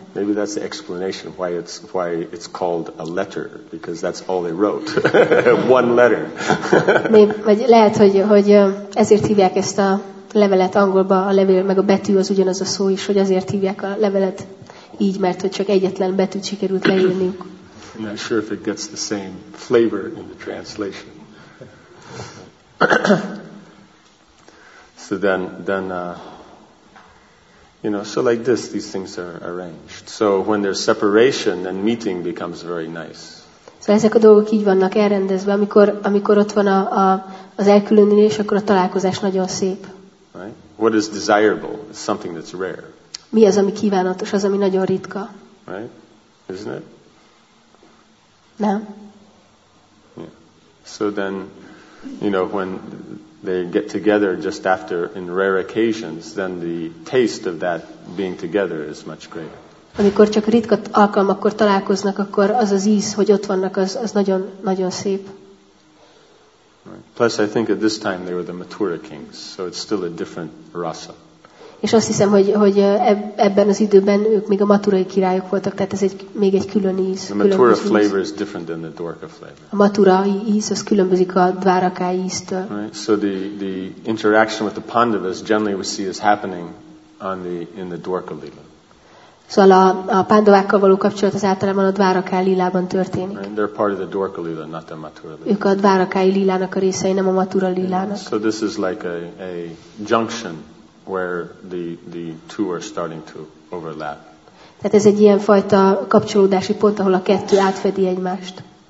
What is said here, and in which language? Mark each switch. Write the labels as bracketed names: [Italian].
[English] Maybe that's the explanation why it's called a letter, because that's all they wrote. One letter. [Hungarian] Vagy lehet, hogy ezért hívják ezt a levelet angolba, a levél, meg a betű az ugyanaz a szó is, hogy azért hívják a levelet így, mert hogy csak egyetlen betűt sikerült leírniuk. [English] I'm not sure if it gets the same flavor in the translation. So then, like this, these things are arranged. So when there's separation, then meeting becomes very nice. [Hungarian] So ezek a dolgok így vannak elrendezve, amikor ott van az elkülönülés, akkor a találkozás nagyon szép. [English] Right? What is desirable? It's something that's rare. [Hungarian] Mi az, ami kívánatos, az, ami nagyon ritka. [English] Right? Isn't it? [Hungarian] Nem. [English] Yeah. So then, you know, when they get together just after in rare occasions, then the taste of that being together is much greater. [Hungarian] Amikor csak ritka alkalmakkor találkoznak, akkor az íz, hogy ott vannak, az nagyon nagyon szép. [English] Plus I think at this time they were the Mathura kings, so it's still a different rasa. [Hungarian] És azt hiszem, hogy ebben az időben ők még a maturai királyok voltak, tehát ez még egy külön íz. [English] The Mathura flavor is different than the Dwarka flavor. [Hungarian] A maturai íz, az különbözik a Dwarka íztől. [English] Right. So the interaction with the Pandavas generally we see is happening on in the Dwarka lila. [Hungarian] Szóval a Pandavákkal való kapcsolat az általában a Dwarka lilában történik. [English] Right. They're part of the Dwarka lila, not the Mathura lila. [Hungarian] Ők a Dwarka lilának a részei, nem a Mathura lilának. [English] Yeah. So this is like a junction where the two are starting to overlap. [Hungarian] Tehát ez egy ilyen fajta kapcsolódási pont, ahol a kettő átfedi egymást.